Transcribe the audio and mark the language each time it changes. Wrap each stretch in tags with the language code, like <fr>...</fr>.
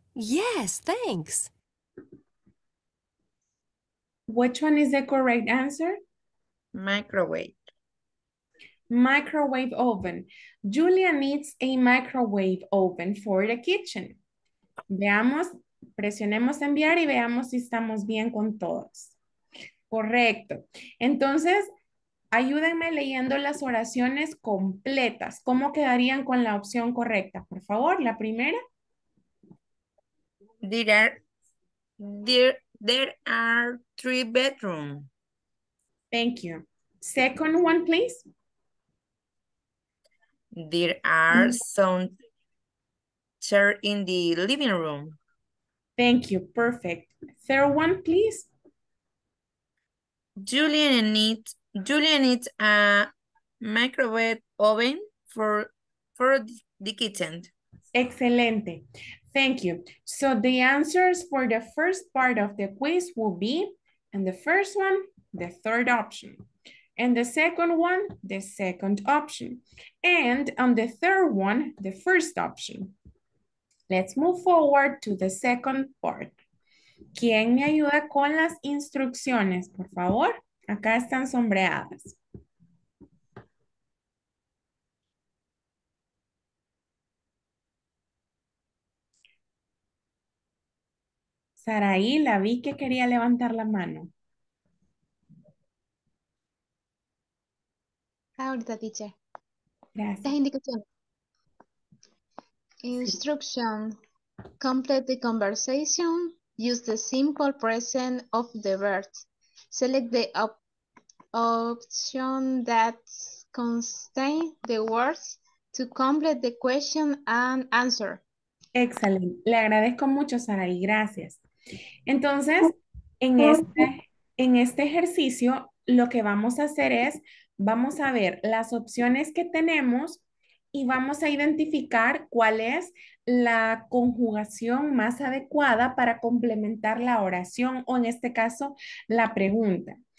<en>Yes, thanks. Which one is the correct answer? Microwave. Microwave oven. Julia needs a microwave oven for the kitchen.</en> <es>Veamos. Presionemos enviar y veamos si estamos bien con todos. Correcto. Entonces, ayúdenme leyendo las oraciones completas. ¿Cómo quedarían con la opción correcta? Por favor, la primera.</es> <en>There are three bedrooms. Thank you. Second one, please. There are some chairs in the living room. Thank you. Perfect. Third one, please. Julian needs a microwave oven for the kitchen.</en> <es>Excelente.</es> <en>Thank you. So the answers for the first part of the quiz will be, and the first one, the third option. And the second one, the second option. And on the third one, the first option. Let's move forward to the second part.</en> <es>¿Quién me ayuda con las instrucciones, por favor? Acá están sombreadas. Saraí, la vi que quería levantar la mano. Ahorita, teacher. Gracias. Las indicaciones.</es> <en>Instruction. Complete the conversation. Use the simple present of the verb. Select the option that contains the words to complete the question and answer.</en> <es>Excelente. Le agradezco mucho, Saraí. Gracias. Entonces, en este ejercicio, lo que vamos a hacer es, vamos a ver las opciones que tenemos y vamos a identificar cuál es la conjugación más adecuada para complementar la oración o en este caso, la pregunta.</es>